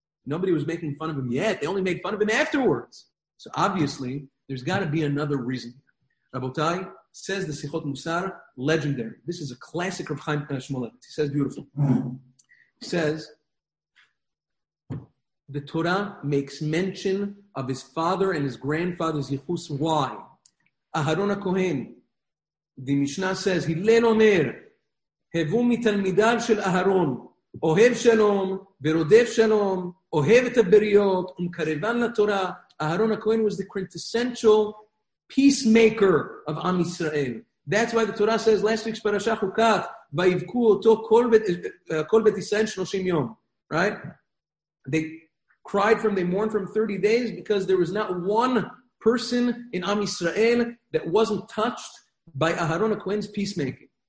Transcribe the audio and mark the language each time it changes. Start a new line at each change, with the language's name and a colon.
English: Nobody was making fun of him yet. They only made fun of him afterwards. So obviously, there's got to be another reason. Rabotai says the Sichot Musar, legendary. This is a classic of Chaim Shmulevitz. He says, beautiful. He says, the Torah makes mention of his father and his grandfather's Yichus. Why?
Hebrew: Aharon HaKohen,
English: the Mishnah says,
Hebrew: Hillel Omer, הבו מתלמידיו של אהרון, אוהב שלום ורודף שלום, אוהב את הבריות ומקרבן לתורה.
English: אהרון הכהן was the quintessential peacemaker of Am Yisrael. That's why the Torah says last week's parasha חוקת,
Hebrew: ויבכו אותו כל בית ישראל 30 יום.
English: Right? They cried from, they mourned from 30 days because there was not one person in Am Yisrael that wasn't touched by Aharon HaKohen's peacemaking.